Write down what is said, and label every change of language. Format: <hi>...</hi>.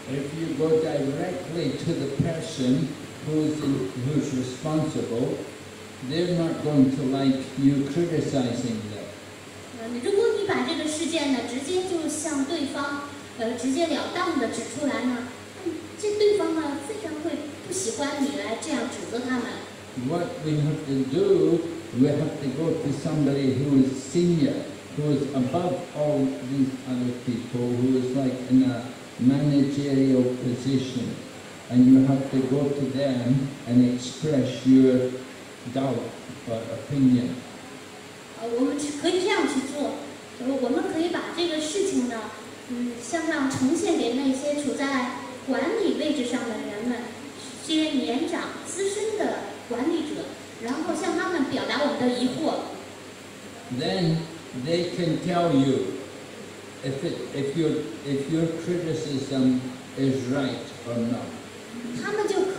<en>If you go directly to the person who's responsible, they're not going to like you criticizing them.</en> <zh>如果你把这个事件呢，直接就向对方，直截了当的指出来呢，这对方呢，非常会不喜欢你来这样指责他们。</zh> <en>What we have to do, we have to go to somebody who is senior, who is above all these other people, who is like in a managerial position, and you have to go to them and express your doubt or opinion.</en> <zh>我们可以这样去做，就是我们可以把这个事情呢，向上呈现给那些处在管理位置上的人们，这些年长资深的管理者，然后向他们表达我们的疑惑。</zh> <en>Then they can tell you if your criticism is right or not.</en>